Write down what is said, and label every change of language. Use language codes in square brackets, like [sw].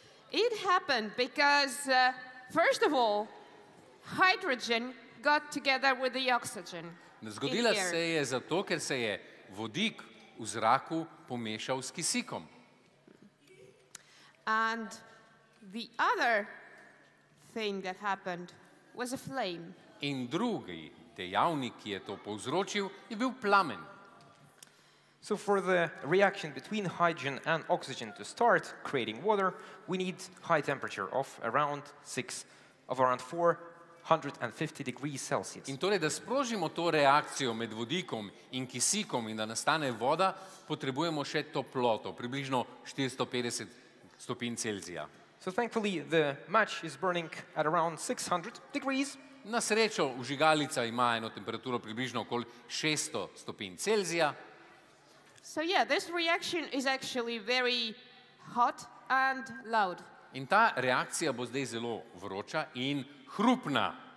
[en] It happened because first of all hydrogen got together with the oxygen. [sl] Zgodila se je zato, ker se je vodik v zraku pomešal s kisikom. [en] And the other thing that happened was a flame. [sl] In drugi dejavnik, ki je to povzročil, je bil plamen. [en] So for the reaction between hydrogen and oxygen to start creating water, we need high temperature of around 450 degrees Celsius. [sl] In torej, da sprožimo to reakcijo med vodikom in kisikom in da nastane voda, potrebujemo še toploto, približno 450 stopinj Celzija. [en] So thankfully the match is burning at around 600 degrees. [sl] Na srečo vžigalica ima eno temperaturo približno okoli 600 stopinj Celzija. [en] So yeah, this reaction is actually very hot and loud. [sl] In ta reakcija bo zdaj zelo vroča in hrupna.